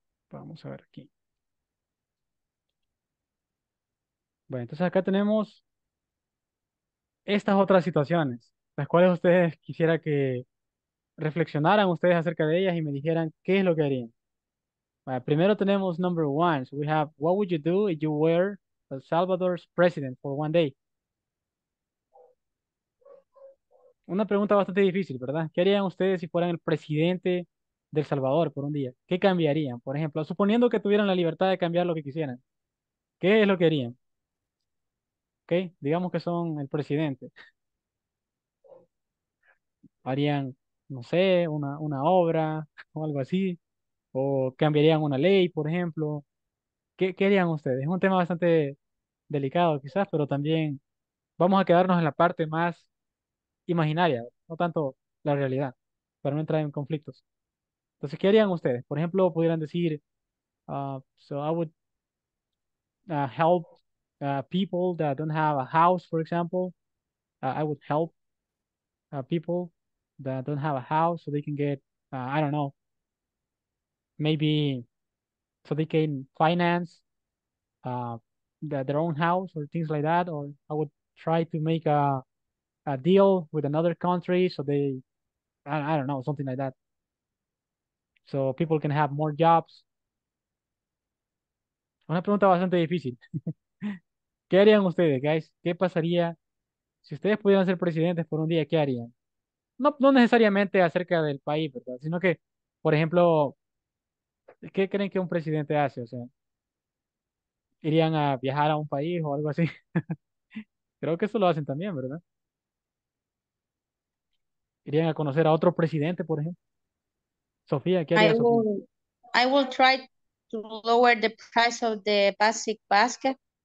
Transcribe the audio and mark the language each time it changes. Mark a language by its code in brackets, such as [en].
[es] Vamos a ver aquí. Bueno, entonces acá tenemos estas otras situaciones, las cuales ustedes quisiera que reflexionaran ustedes acerca de ellas y me dijeran qué es lo que harían. Bueno, primero tenemos [en] number one. So we have, what would you do if you were El Salvador's president for one day? [es] Una pregunta bastante difícil, ¿verdad? ¿Qué harían ustedes si fueran el presidente del Salvador por un día? ¿Qué cambiarían? Por ejemplo, suponiendo que tuvieran la libertad de cambiar lo que quisieran, ¿qué es lo que harían? ¿Ok? Digamos que son el presidente. Harían, no sé, una obra o algo así. O cambiarían una ley, por ejemplo. ¿Qué harían ustedes? Es un tema bastante delicado, quizás, pero también vamos a quedarnos en la parte más imaginaria, no tanto la realidad, para no entrar en conflictos. Entonces, ¿qué harían ustedes? Por ejemplo, pudieran decir, [en] so I would help people that don't have a house, for example. I would help people that don't have a house so they can get, I don't know, maybe so they can finance their own house or things like that. Or I would try to make a deal with another country so they, I don't know, something like that. So people can have more jobs. [es] Una pregunta bastante difícil. ¿Qué harían ustedes, guys? ¿Qué pasaría si ustedes pudieran ser presidentes por un día? ¿Qué harían? No necesariamente acerca del país, ¿verdad? Sino que, por ejemplo, ¿qué creen que un presidente hace? O sea, ¿irían a viajar a un país o algo así? Creo que eso lo hacen también, ¿verdad? ¿Irían a conocer a otro presidente, por ejemplo? Sofía, ¿qué haría Sofía? [en] I will try to lower the price of the basic basket.